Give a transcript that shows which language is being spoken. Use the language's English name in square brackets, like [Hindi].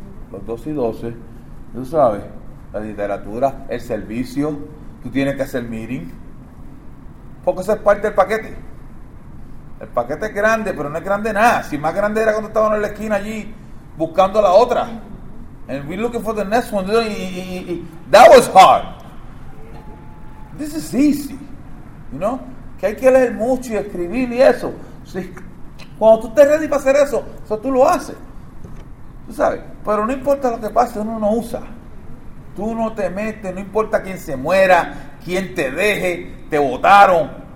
[Spanish] Los 12 y 12, tú sabes, la literatura, el servicio, tú tienes que hacer meeting, porque eso es parte del paquete. El paquete es grande, pero no es grande nada. Si más grande era cuando estábamos en la esquina allí buscando la otra. [English] And we're looking for the next one. That was hard. This is easy. You know? [Spanish] Que hay que leer mucho y escribir y eso. Si, cuando tú estés ready para hacer eso, eso tú lo haces. Tú sabes. Pero no importa lo que pase, uno no usa. Tú no te metes, no importa quién se muera, quién te deje, te botaron.